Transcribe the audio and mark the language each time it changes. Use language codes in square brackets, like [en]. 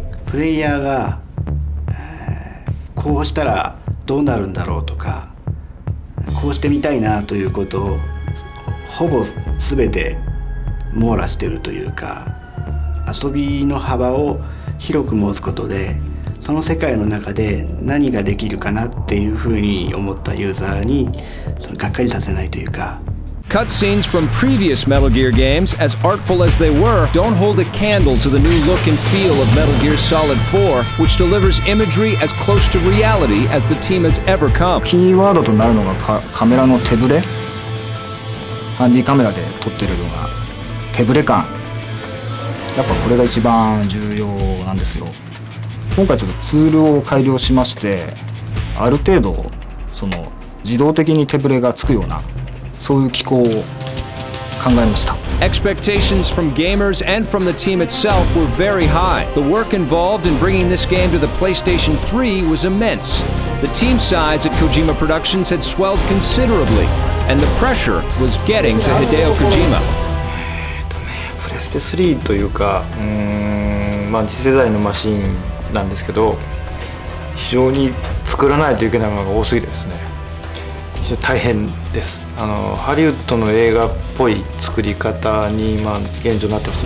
[ja] プレイヤーが、こうしたらどうなるんだろうとか、こうしてみたいなということをほぼ全て網羅してるというか、遊びの幅を広く持つことで、その世界の中で何ができるかなっていうふうに思ったユーザーにがっかりさせないというか。 [en] Cutscenes from previous Metal Gear games, as artful as they were, don't hold a candle to the new look and feel of Metal Gear Solid 4, which delivers imagery as close to reality as the team has ever come. [ja] キーワードとなるのがカメラの手ブレ、ハンディカメラで撮ってるのが手ブレ感、やっぱこれが一番重要なんですよ。今回ちょっとツールを改良しまして、ある程度その自動的に手ブレがつくような、そういう機構を考えました。 [en] Expectations from gamers and from the team itself were very high. The work involved in bringing this game to the PlayStation 3 was immense. The team size at Kojima Productions had swelled considerably, and the pressure was getting to Hideo Kojima. [ja] プレステ3というか、まあ次世代のマシンなんですけど、非常に作らないといけないものが多すぎですね。大変です。ハリウッドの映画っぽい作り方に、まあ、現状なってます。